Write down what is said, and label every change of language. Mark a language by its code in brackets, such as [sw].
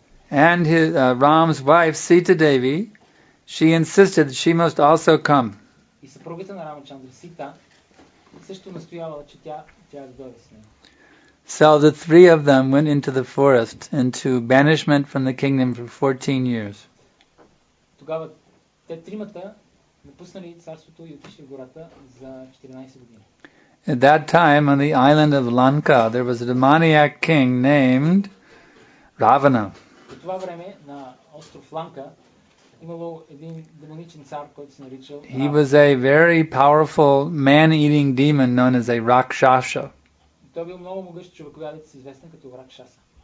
[en] And Ram's wife Sita Devi, she insisted that she must also come. [bg] И съпругата на Рамачандра Сита също настоявала, че тя да дойде с нея. [en] So the three of them went into the forest into banishment from the kingdom for 14 years. [bg] Тогава те тримата напуснали царството и отишли в гората за 14 години. [en] At that time on the island of Lanka there was a demoniac king named Ravana. [bg] По това време на остров Ланка имало един демоничен цар, който се наричал. [en] He was a very powerful man-eating demon known as a Rakshasa. [bg] Той бил много могъщ човекоядец, известен като Ракшаса.